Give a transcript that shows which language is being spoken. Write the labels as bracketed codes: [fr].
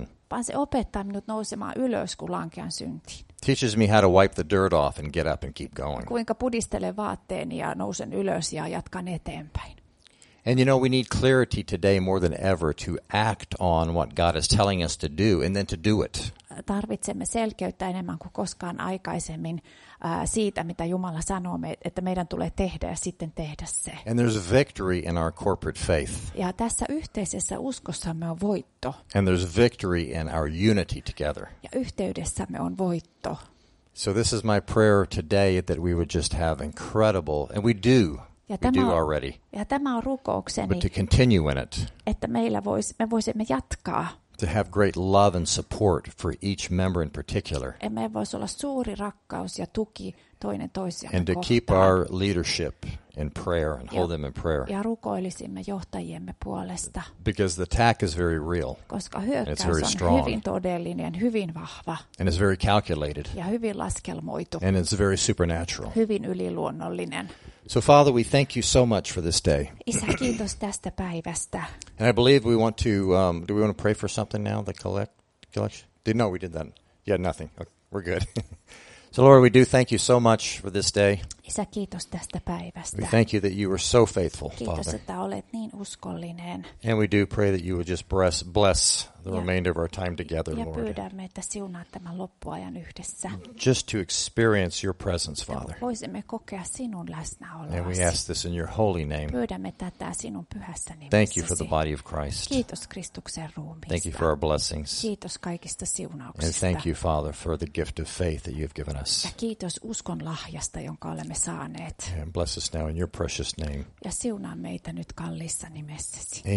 [fi] Vaan se opettaa minut nousemaan ylös, kun lankean syntiin. [en] Teaches me how to wipe the dirt off and get up and keep going. [fi] Kuinka pudistelen vaatteeni ja nousen ylös ja jatkan eteenpäin. [en] And you know, we need clarity today more than ever to act on what God is telling us to do and then to do it. [fi] Tarvitsemme selkeyttä enemmän kuin koskaan aikaisemmin siitä, mitä Jumala sanoo, että meidän tulee tehdä ja sitten tehdä se. [en] And there's victory in our corporate faith. [fi] Ja tässä yhteisessä uskossamme on voitto. [en] And there's victory in our unity together. [fi] Ja yhteydessämme on voitto. [en] So this is my prayer today that we would just have incredible, and we do. [fi] Ja tämä on rukoukseni, [en] but to continue in it, [fi] että me voisimme jatkaa. [en] To have great love and support for each member in particular. [fi] Emme voisi olla suuri rakkaus ja tuki toinen toisiaan kohtaan. [en] And to keep our leadership in prayer and hold them in prayer. [fi] Ja rukoilisimme johtajiemme puolesta. [en] Because the attack is very real. [fi] Koska hyökkäys on hyvin todellinen, hyvin vahva. [en] And it's very calculated. [fi] Ja hyvin laskelmoitu. [en] And it's very supernatural. [fi] Hyvin yliluonnollinen. [en] So Father, we thank you so much for this day. [fi] Isä, kiitos tästä päivästä. [en] And I believe we want to do we want to pray for something now, the collection? We did that. Yeah, nothing. Okay, we're good. So Lord, we do thank you so much for this day. [fi] Isä, kiitos tästä päivästä. [en] We thank you that you are so faithful, [fi] kiitos, [en] Father. [fi] Että olet niin uskollinen. [en] And we do pray that you would just bless the remainder of our time together, [fi] ja [en] Lord. [fi] Ja pyydämme, että siunaat tämän loppuajan yhdessä. [en] Just to experience your presence, Father. [fi] Ja voisimme kokea sinun läsnäolosi. [en] And we ask this in your holy name. [fi] Pyydämme tätä sinun pyhässä nimessäsi. [en] Thank you for the body of Christ. [fi] Kiitos Kristuksen ruumista. [en] Thank you for our blessings. [fi] Kiitos kaikista siunauksista. [en] And thank you, Father, for the gift of faith that you've given us. [fi] Ja kiitos uskon lahjasta, jonka olemme saaneet. [en] And bless us now in your precious name. [fi] Ja siunaa meitä nyt kalliissa nimessäsi.